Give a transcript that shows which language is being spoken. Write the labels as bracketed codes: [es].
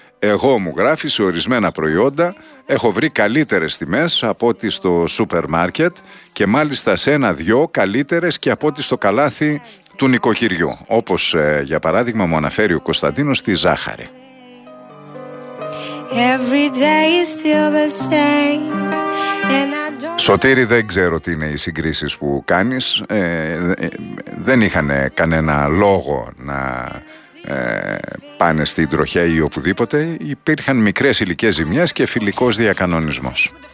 [el] Εγώ μου γράφει σε ορισμένα προϊόντα, έχω βρει καλύτερες τιμές από ό,τι στο σούπερ μάρκετ και μάλιστα σε ένα-δυο καλύτερες και από ό,τι στο καλάθι του νοικοκυριού. Όπως για παράδειγμα μου αναφέρει ο Κωνσταντίνος στη Ζάχαρη. [en] Every day is still the same. [el] Σωτήρη, δεν ξέρω τι είναι οι συγκρίσεις που κάνεις. Δεν είχαν κανένα λόγο να πάνε στην τροχιά ή οπουδήποτε. Υπήρχαν μικρές υλικές ζημιές και φιλικός διακανονισμός.